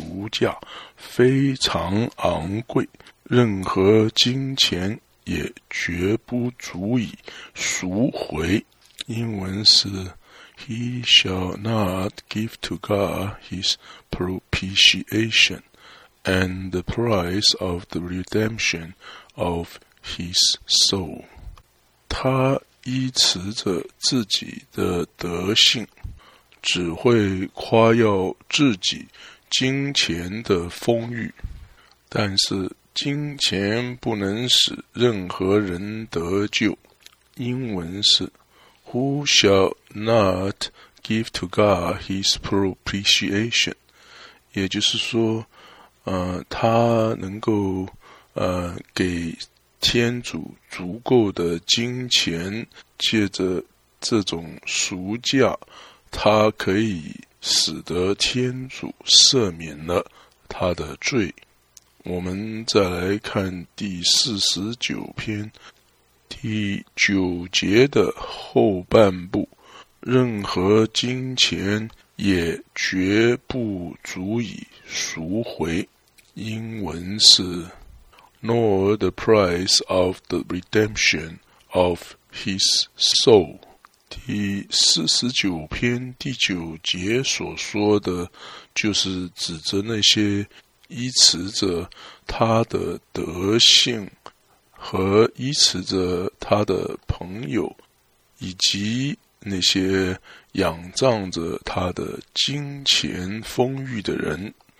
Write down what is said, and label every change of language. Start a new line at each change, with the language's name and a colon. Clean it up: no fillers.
Chinese: 价非常昂贵，任何金钱也绝不足以赎回。英文是
English: He shall not give to God his propitiation and the price of the redemption of his soul.
Chinese: 他依持着自己的德性，只会夸耀自己金钱的丰裕，但是金钱不能使任何人得救。英文是
English: Who shall not give to God his propitiation?
Chinese: 也就是说他能够给天主足够的金钱，借着这种赎价，他可以使得天主赦免了他的罪。我们再来看第49篇第9节的后半部，任何金钱也绝不足以赎回。英文是
English: Nor the price of the redemption of his soul。
Chinese: 第49篇第9节所说的，就是指着那些依持着他的德性和依持着他的朋友，以及那些仰仗着他的金钱丰裕的人。